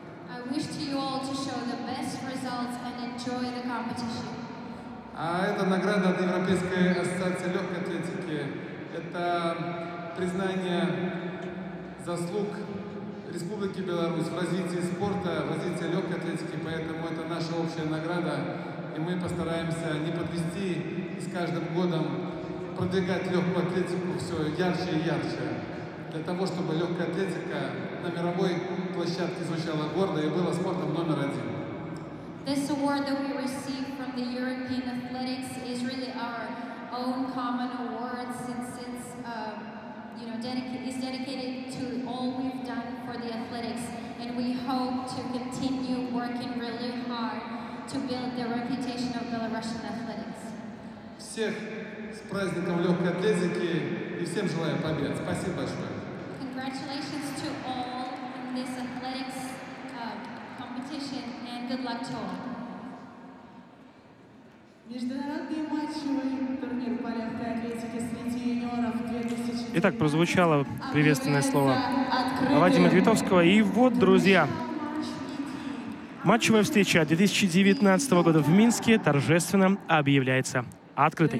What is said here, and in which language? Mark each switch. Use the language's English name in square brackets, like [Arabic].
[English] I wish to you all to show the best results and enjoy the competition. [Russian] А это награда от Европейской ассоциации легкой атлетики. Это признание заслуг Республики Беларусь в развитии спорта, в развитии легкой атлетики, поэтому это наша общая награда, и мы постараемся не подвести и с каждым годом продвигать легкую атлетику все ярче и ярче, для того, чтобы легкая атлетика на мировой площадке звучала гордо и была спортом номер один. [English] This award that we receive from the European Athletics is really our own common award, since it's is dedicated to all we've done for the athletics, and we hope to continue working really hard to build the reputation of Belarusian athletics. [Russian] Всех с праздником легкой атлетики и всем желаю побед. Спасибо большое. [English] Congratulations to all in this athletics competition, and good luck to all. [Russian] Международный матчевый турнир по легкой атлетике среди юниоров 2004. Итак, прозвучало приветственное слово Вадима Твитовского. И вот, друзья, матчевая встреча 2019 года в Минске торжественно объявляется открытой.